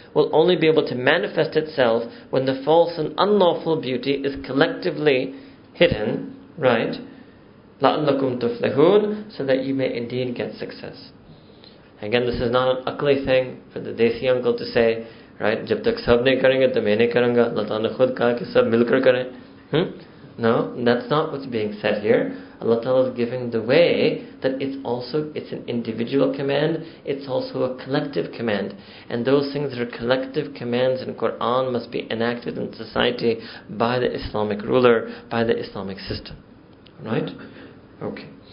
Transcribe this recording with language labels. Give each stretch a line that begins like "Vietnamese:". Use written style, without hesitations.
English: Will only be able to manifest itself when the false and unlawful beauty is collectively hidden, right?
Arabic: لَأَلَّكُمْ تُفْلِحُونَ,
English: so that you may indeed get success. Again, this is not an ugly thing for the desi uncle to say, right?
Urdu: جب تک سب نہیں کریں گے تو میں نہیں کروں گا. اللہ تعالیٰ نے خود کہا کہ سب مل کر کریں.
English: No, that's not what's being said here. Allah Ta'ala is giving the way that it's an individual command, it's also a collective command. And those things that are collective commands in Quran must be enacted in society by the Islamic ruler, by the Islamic system. Right? Okay.